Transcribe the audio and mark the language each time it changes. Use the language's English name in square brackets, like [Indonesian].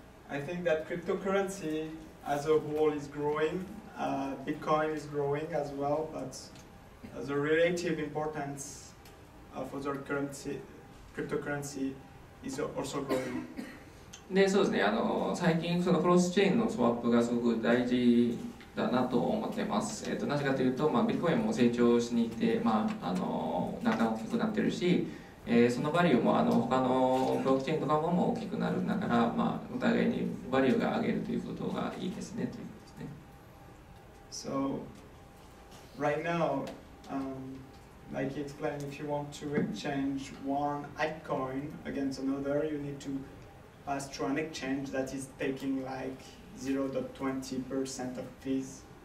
[English] I think that cryptocurrency as a whole is growing. Bitcoin is growing as well, but the relative importance of other cryptocurrency is also growing. [Japanese] ね、そうですね。最近そのクロスチェーンのスワップがすごく大事。だなと思ってます。なぜかというと、まあ、ビットコインも成長しにいて、まあ、だんだん大きくなってるし、そのバリューも他のブロックチェーンとかも大きくなるんだから、まあ、お互いにバリューが上げるということがいいですね、ということですね。 [English] So, right now, like he explained, if you want to exchange one altcoin against another, you need to pass through an exchange that is taking like 0.20% of fees.